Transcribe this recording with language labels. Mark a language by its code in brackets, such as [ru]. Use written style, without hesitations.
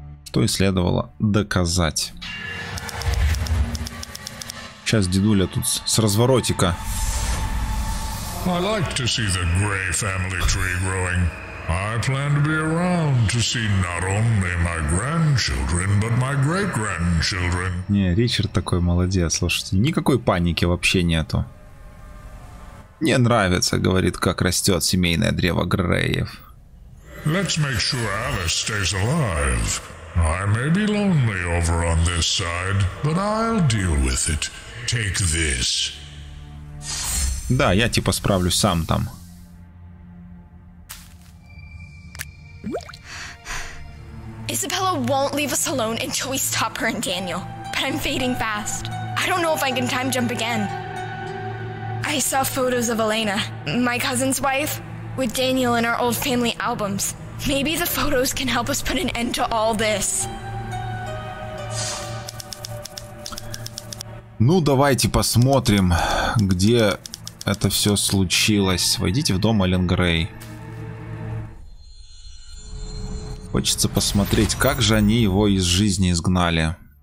[ru] То и следовало доказать. Сейчас дедуля тут с разворотика. [en] I like to see the gray family tree growing. I plan to be around to see not only my grandchildren, but my great-grandchildren. [ru] Не, Ричард такой молодец, слушайте. Никакой паники вообще нету. Мне нравится, говорит, как растет семейное древо Греев. [en] Let's make sure Alice stays alive. I may be lonely over on this side, but I'll deal with it. Take this. [ru] Да, я типа справлюсь сам там. [en] Isabella won't leave us alone until we stop her and Daniel. But I'm fading fast. I don't know if I can time jump again. I saw photos of Elena, my cousin's wife, with Daniel in our old family albums. Maybe the photos can help us put an end to all this. [ru] Ну, давайте посмотрим, где это все случилось. Войдите в дом Эллен Грей. Хочется посмотреть, как же они его из жизни изгнали.